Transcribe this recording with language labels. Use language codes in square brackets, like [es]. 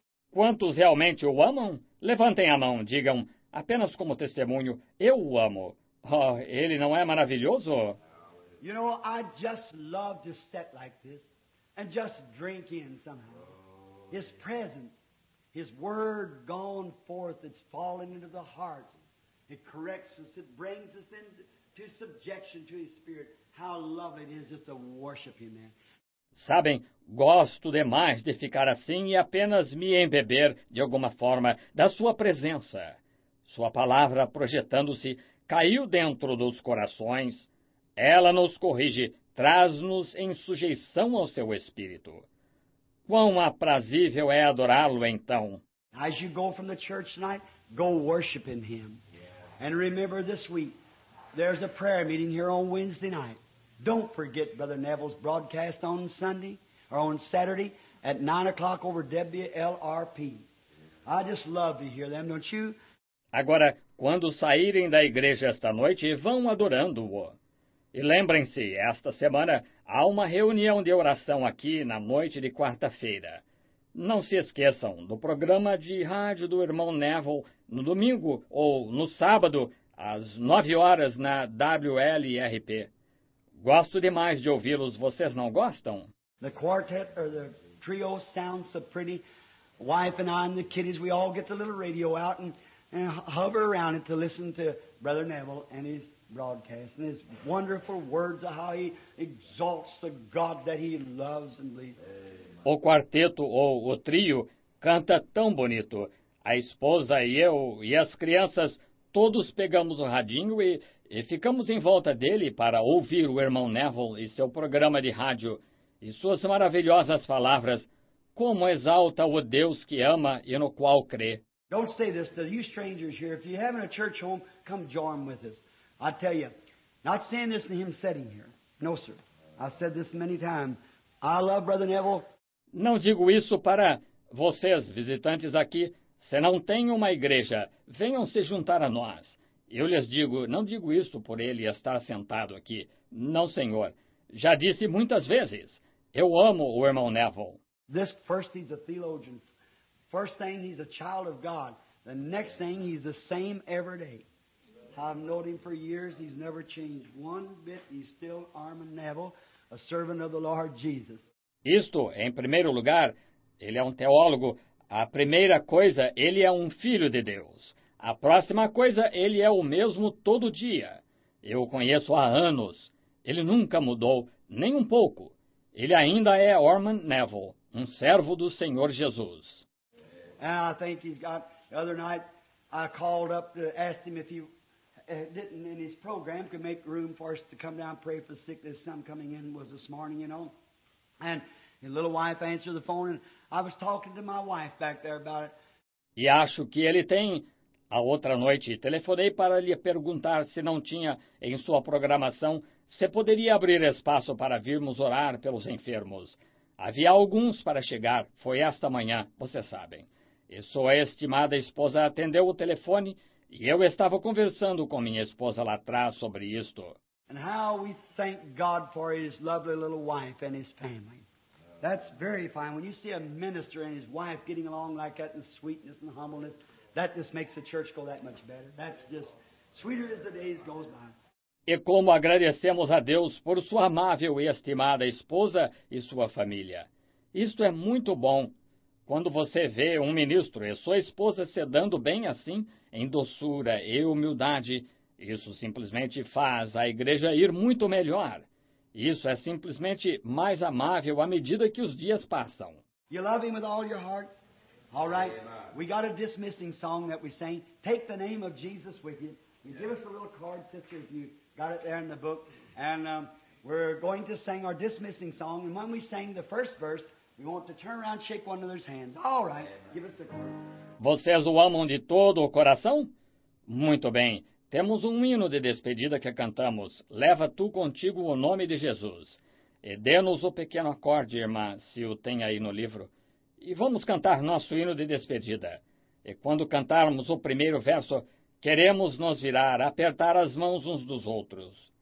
[pt] Quantos realmente o amam? Levantem a mão, digam, apenas como testemunho, eu o amo. Oh, ele não é maravilhoso? [en] You know, I just love to sit like this and just drink in somehow. His presence. His word gone forth, it's fallen into the hearts. It corrects us, it brings us into subjection to His Spirit. How lovely it is just to worship Him, man. [pt] Sabem, gosto demais de ficar assim e apenas me embeber, de alguma forma, da Sua presença. Sua palavra, projetando-se, caiu dentro dos corações. Ela nos corrige, traz-nos em sujeição ao Seu Espírito. Quão aprazível é adorá-Lo, então! [en] As you go from the church tonight, go worship in Him. And remember this week, there's a prayer meeting here on Wednesday night. Don't forget Brother Neville's broadcast on Sunday, or on Saturday, at 9 o'clock over WLRP. I just love to hear them, don't you? [pt] Agora, quando saírem da igreja esta noite, vão adorando-o. E lembrem-se, esta semana, há uma reunião de oração aqui na noite de quarta-feira. Não se esqueçam do programa de rádio do irmão Neville no domingo ou no sábado, às 9 horas, na WLRP. Gosto demais de ouvi-los, vocês não gostam? [en] The quartet or the trio sounds so pretty. Wife and I and the kiddies, we all get the little radio out and hover around it to listen to Brother Neville and his broadcast and his wonderful words of how he exalts the God that he loves and believes. [pt] O quarteto ou o trio canta tão bonito. A esposa e eu e as crianças todos pegamos o radinho e ficamos em volta dele para ouvir o irmão Neville e seu programa de rádio e suas maravilhosas palavras. Como exalta o Deus que ama e no qual crê. [en] Don't say this to you strangers here. If you have a church home, come join with us. I tell you, not saying this in him sitting here. No, sir. I said this many times. I love Brother Neville. [pt] Não digo isso para vocês, visitantes aqui. Se não tem uma igreja, venham se juntar a nós. Eu lhes digo, não digo isso por ele estar sentado aqui. Não, senhor. Já disse muitas vezes. Eu amo o irmão Neville. [en] This first he's a theologian. First thing he's a child of God. The next thing he's the same every day. I've known him for years. He's never changed one bit. He's still Armand Neville, a servant of the Lord Jesus. [pt] Isto, em primeiro lugar, ele é um teólogo. A primeira coisa, ele é um filho de Deus. A próxima coisa, ele é o mesmo todo dia. Eu o conheço há anos. Ele nunca mudou, nem um pouco. Ele ainda é Armand Neville, um servo do Senhor Jesus. [en] And I think he's got, the other night, I called up to ask him if he didn't in his program could make room for us to come down and pray for the sick. There's some coming in, was this morning, you know. And his little wife answered the phone, and I was talking to my wife back there about it. [pt] E acho que ele tem. A outra noite, telefonei para lhe perguntar se não tinha em sua programação, se poderia abrir espaço para virmos orar pelos enfermos. Havia alguns para chegar, foi esta manhã, vocês sabem. E sua estimada esposa atendeu o telefone, e eu estava conversando com minha esposa lá atrás sobre isto. [en] And how we thank God for his lovely little wife and his family. That's very fine. When you see a minister and his wife getting along like that in sweetness and humbleness, that just makes the church go that much better. That's just sweeter as the days go by. [pt] E como agradecemos a Deus por sua amável e estimada esposa e sua família. Isto é muito bom. Quando você vê um ministro e sua esposa se dando bem assim, em doçura e humildade, isso simplesmente faz a igreja ir muito melhor. Isso é simplesmente mais amável à medida que os dias passam. [en] You love him with all your heart? All right. We got a dismissing song that we sang. Take the name of Jesus with you. You give us a little card, sister, if you got it there in the book. And we're going to sing our dismissing song. And when we sang the first verse, we want to turn around and shake one another's hands. All right. Give us the card. [pt] Vocês o amam de todo o coração? Muito bem. Temos um hino de despedida que cantamos. Leva tu contigo o nome de Jesus. E dê-nos o pequeno acorde, irmã, se o tem aí no livro. E vamos cantar nosso hino de despedida. E quando cantarmos o primeiro verso, queremos nos virar, apertar as mãos uns dos outros.